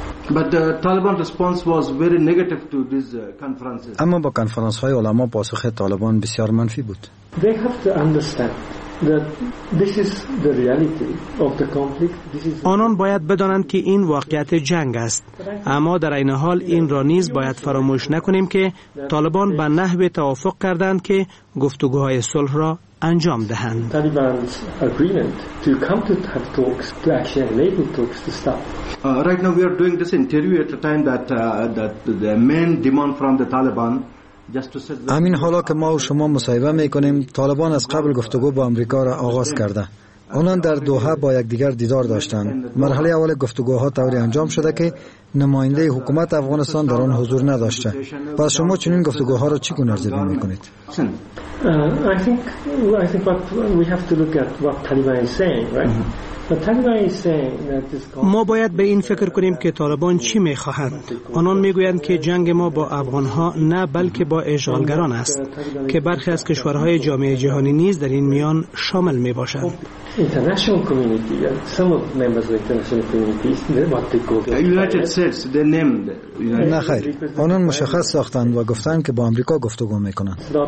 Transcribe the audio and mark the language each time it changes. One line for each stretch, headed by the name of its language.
English: But the Taliban response was very negative to these conferences.
Persian: اما با کنفرانس های علما پاسخ طالبان بسیار منفی بود.
English: They have to understand that this is the reality of the conflict. This is
Persian: آنان باید بدانند که این واقعیت جنگ است. اما در این حال این را نیز باید فراموش نکنیم که طالبان به نحوی توافق کردند که گفتگوهای صلح را انجام دهند.
English: Taliban's agreement to come to have talks, to actually enable talks to start. Right now we are doing this interview at a time that the main demand from the Taliban.
Persian: همین حالا که ما و شما مصاحبه میکنیم، طالبان از قبل گفتگو با امریکا را آغاز کرده. آنان در دوحه با یکدیگر دیدار داشتند. مرحله اول گفتگوها طوری انجام شده که نماینده حکومت افغانستان در آن حضور نداشته. پس شما چنین گفتگوها را چی گونه ارزیابی میکنید؟
English: I think what we have to look at what Taliban is saying, right? The Taliban is saying that this conflict.
Persian: ما باید به این فکر کنیم که طالبان چی میخواهند. آنان میگویند که جنگ ما با افغانها نه بلکه با اشغالگران است، که برخی از کشورهای جامعه جهانی نیز در این میان شامل میباشند.
English: International community, some of members of international communities, what they call United States, they named.
Persian: نه خیر، آنان مشخص ساختند و گفتند که با امریکا گفتگو میکنند.